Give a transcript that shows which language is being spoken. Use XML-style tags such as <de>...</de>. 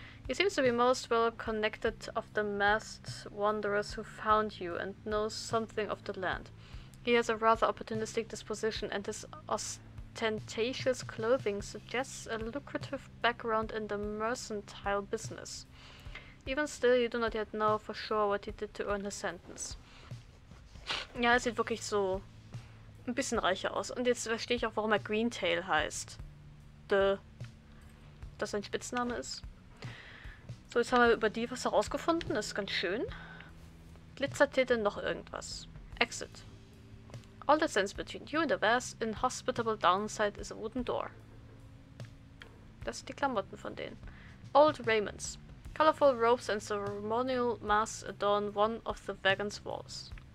<en>He seems to be most well connected of the masked wanderers who found you and knows something of the land. He has a rather opportunistic disposition and his ostentatious clothing suggests a lucrative background in the mercantile business. Even still, you do not yet know for sure what he did to earn his sentence.</en> <de>Ja, es sieht wirklich so ein bisschen reicher aus. Und jetzt verstehe ich auch, warum er Greentail heißt. Dass sein Spitzname ist. So, jetzt haben wir über die was herausgefunden. Das ist ganz schön. Glitzertitel noch irgendwas. Exit.</de> <en>All that stands between you and the vast inhospitable downside is a wooden door.</en> <de>Das sind die Klamotten von denen.</de> <en>Old Raymonds. Colorful robes and ceremonial masks adorn one of the wagon's walls.</en>